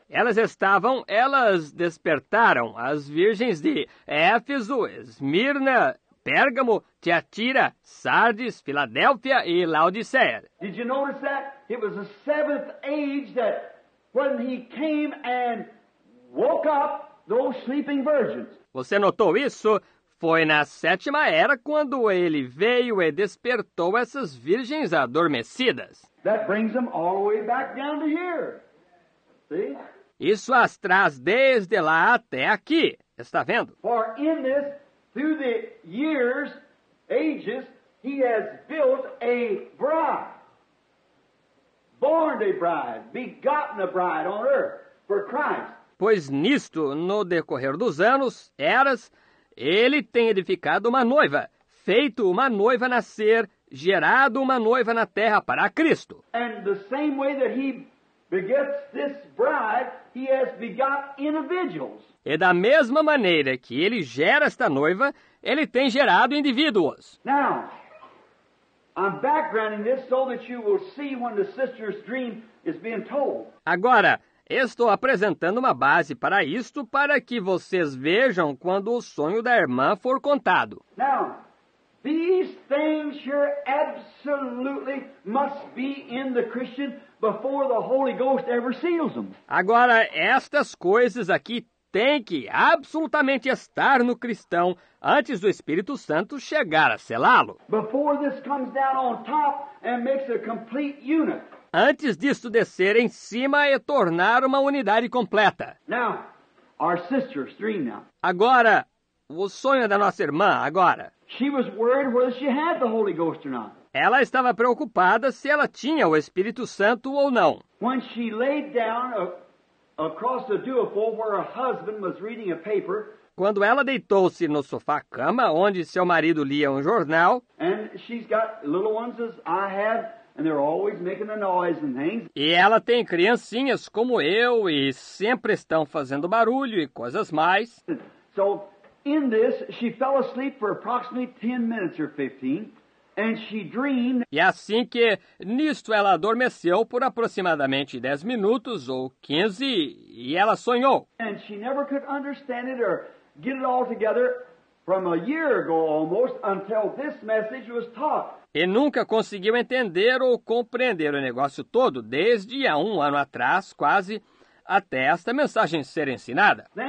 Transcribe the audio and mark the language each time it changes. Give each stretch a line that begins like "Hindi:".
Portuguese: Elas estavam, elas despertaram, as virgens de Éfeso, Esmirna, Pérgamo, Tiatira, Sardes, Filadélfia e Laodicea.
English: Did you notice that? It was the seventh age that when he came and woke up those sleeping virgins.
Portuguese: Você notou isso? Foi na sétima era quando ele veio e despertou essas virgens adormecidas.
English: That brings them all the way back down to here. See?
Portuguese: Isso as traz desde lá até aqui. Está vendo?
English: For in this, through the years, ages, he has built a bride. Born a bride, begotten a bride on earth for Christ.
Portuguese: Pois nisto, no decorrer dos anos, eras, ele tem edificado uma noiva, feito uma noiva nascer, gerado uma noiva na terra para Cristo.
English: And the same way that he begets this bride, he has begot individuals.
Portuguese: E da mesma maneira que ele gera esta noiva, ele tem gerado indivíduos.
English: Now, I'm backgrounding this so that you will see when the sister's dream is being told.
Portuguese: Agora, estou apresentando uma base para isto, para que vocês vejam quando o sonho da irmã for contado.
English: Now, these things here absolutely must be in the Christian before the Holy Ghost ever seals them.
Portuguese: Agora, estas coisas aqui têm que absolutamente estar no cristão antes do Espírito Santo chegar a selá-lo.
English: Before this comes down on top and makes a complete unit.
Portuguese: Antes disto descer em cima e tornar uma unidade completa.
English: Now, our sister's dream now.
Portuguese: Agora, o sonho da nossa irmã, agora.
English: She was worried whether she had the Holy Ghost or not.
Portuguese: Ela estava preocupada se ela tinha o Espírito Santo ou não.
English: When she laid down across the duopo where her husband was reading a paper.
Portuguese: Quando ela deitou-se no sofá-cama, onde seu marido lia um jornal.
English: And she's got little ones as I have. And they're always making the noise and things.
Portuguese: E ela tem criancinhas como eu e sempre estão fazendo barulho e coisas mais.
English: So in this she fell asleep for approximately 10 minutes or 15 and she dreamed.
Portuguese: E assim que nisto ela adormeceu por aproximadamente 10 minutos ou 15 e ela sonhou.
English: And she never could understand it or get it all together from a year ago almost until this message was taught.
Portuguese: E nunca conseguiu entender ou compreender o negócio todo desde há um ano atrás, quase, até esta mensagem ser ensinada.